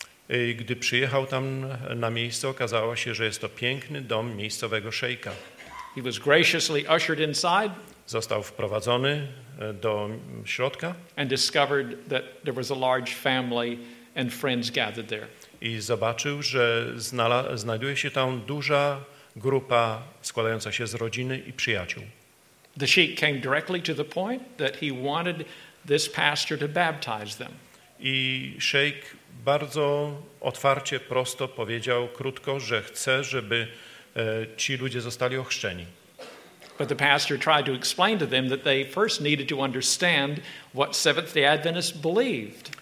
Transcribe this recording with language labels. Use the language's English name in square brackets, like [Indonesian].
[Polish] I gdy przyjechał tam na miejsce, okazało się, że jest to piękny dom miejscowego szejka. [English] He was graciously ushered inside. [Polish] Został wprowadzony do środka. [English] And discovered that there was a large family and friends gathered there. [Polish] I zobaczył, że znajduje się tam duża grupa składająca się z rodziny i przyjaciół. [English] The sheik came directly to the point that he wanted this pastor to baptize them. [Polish] I szejk bardzo otwarcie, prosto powiedział krótko, że chce, żeby ci ludzie zostali ochrzczeni. [English] But the pastor tried to explain to them that they first needed to understand what Seventh-day Adventists believed.